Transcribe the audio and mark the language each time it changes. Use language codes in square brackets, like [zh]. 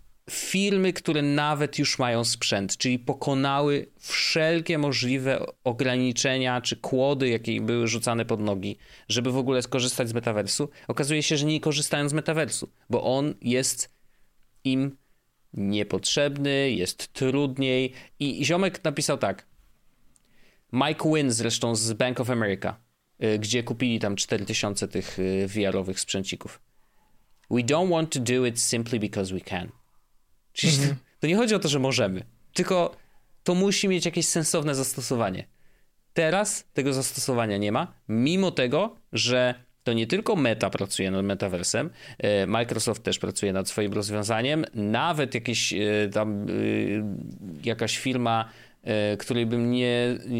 [pl] filmy, które nawet już mają sprzęt, czyli pokonały wszelkie możliwe ograniczenia czy kłody, jakie były rzucane pod nogi, żeby w ogóle skorzystać z metaversu, okazuje się, że nie korzystają z metaversu, bo on jest im niepotrzebny, jest trudniej. I ziomek napisał tak, Mike Wynn zresztą z Bank of America, gdzie kupili tam 4000 tych VR-owych sprzęcików. [en] We don't want to do it simply because we can. [pl] Czyli to nie chodzi o to, że możemy, tylko to musi mieć jakieś sensowne zastosowanie. Teraz tego zastosowania nie ma, mimo tego, że to nie tylko Meta pracuje nad metaversem, Microsoft też pracuje nad swoim rozwiązaniem, nawet jakieś tam jakaś firma, której bym nie...